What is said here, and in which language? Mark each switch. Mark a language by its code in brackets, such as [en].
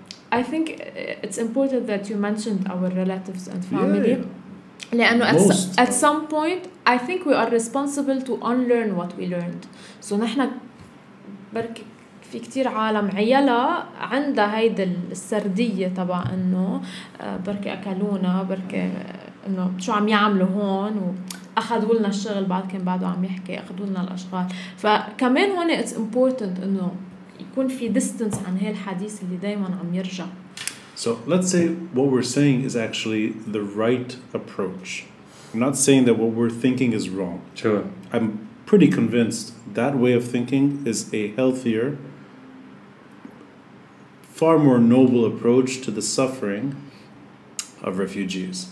[en] I think it's important that you mentioned our relatives and family. At some point, I think we are responsible to unlearn what we learned. [ar] So نحنا برك في كتير عالم عيلة عندها هيدا السردية تبع إنه برك أكلونا برك إنه شو عم يعملوا هون وأخذوا لنا الشغل بعد كان بعده عم يحكي أخذوا لنا الأشغال. فكمان هون [en] it's important [ar] إنه يكون في distance عن هالحديث اللي دايماً عم يرجع. [en] So let's say what we're saying is actually the right approach. I'm not saying that what we're thinking is wrong. Sure. I'm pretty convinced that way of thinking is a healthier, far more noble approach to the suffering of refugees.